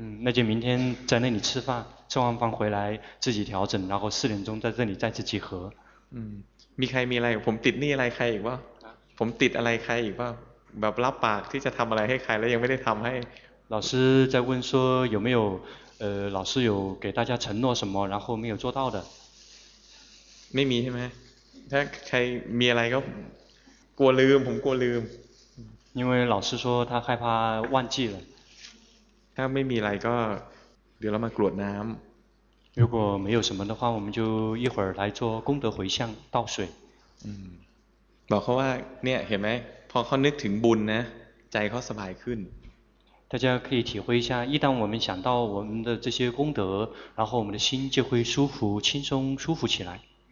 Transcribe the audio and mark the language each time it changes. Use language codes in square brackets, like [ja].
[zh] 那就明天在那里吃饭吃完饭回来自己调整然后四点钟在这里再次集合 [th] มีใครมีอะไรผมติดนี่อะไรใครอีกว่าผมติดอะไรใครอีกว่าแบบรับปากที่จะทำอะไรให้ใครแล้วยังไม่ได้ทำให้ [zh] 老师在问说有没有老师有给大家承诺什么然后没有做到的没有 [th] ใช่ไหมถ้าใครมีอะไรก็กลัวลืมผมกลัวลืม [zh] 因为老师说他害怕忘记了 [th] ถ้าไม่มีอะไรก็เดี๋ยวเรามากรวดน้ำ [zh] 如果没有什么的话我们就一会儿来做功德回向倒水 [th] บอกเขาว่าเนี่ยเห็นไหมพอเขานึกถึงบุญนะใจเขาสบายขึ้น [zh] 大家可以体会一下，一旦我们想到我们的这些功德，然后我们的心就会舒服、轻松、舒服起来。